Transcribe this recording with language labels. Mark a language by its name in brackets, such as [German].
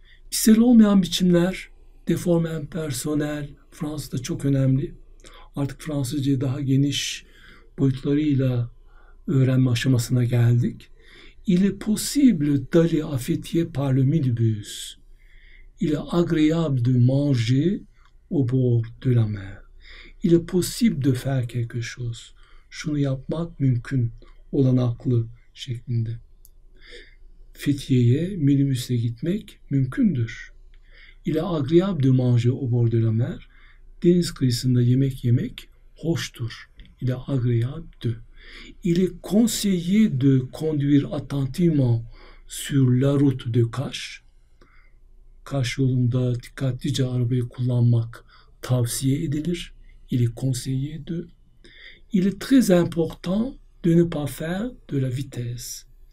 [Turkish] Kişisel olmayan biçimler, [French] déforme impersonnel, [Turkish] Fransa'da çok önemli. Artık Fransızcayı daha geniş boyutlarıyla öğrenme aşamasına geldik. [French] Il est possible d'aller à Fethiye par le minibus. Il est agréable de manger au bord de la mer. Il est possible de faire quelque chose. [Turkish] Şunu yapmak mümkün, olanaklı şeklinde. Fethiye'ye minibüsle gitmek mümkündür. [French] Il est agréable de manger au bord de la mer. [Turkish] Deniz kıyısında yemek yemek hoştur. [French] Il est agréable de. Il est conseillé de conduire attentivement sur la route de Kaş. [Turkish] Kaş yolunda dikkatlice arabayı kullanmak tavsiye edilir. [French] Il est conseillé de. Il est très important de ne pas faire de la vitesse.